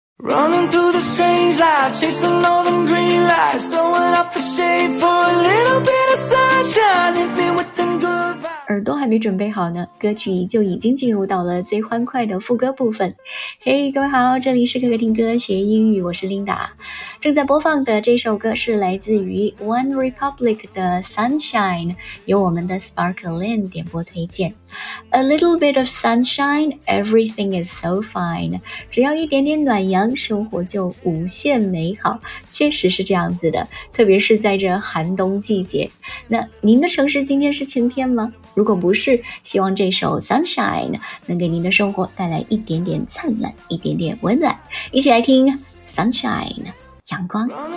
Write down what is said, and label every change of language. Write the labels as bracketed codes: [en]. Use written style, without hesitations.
[en] Running through the strange life, chasing all them green lights, throwing up the shade for a little bit of sunshine, hit me with them good vibes。 [zh] 耳朵还没准备好呢，歌曲就已经进入到了最欢快的副歌部分。嘿，各位好，这里是可可听歌学英语，我是 Linda。正在播放的这首歌是来自于 One Republic 的 Sunshine， 由我们的 Sparkling 点播推荐。 [en] A little bit of sunshine, everything is so fine， [zh] 只要一点点暖阳，生活就无限美好。确实是这样子的，特别是在这寒冬季节。那您的城市今天是晴天吗？如果不是，希望这首 Sunshine 能给您的生活带来一点点灿烂，一点点温暖。一起来听 Sunshine 阳光。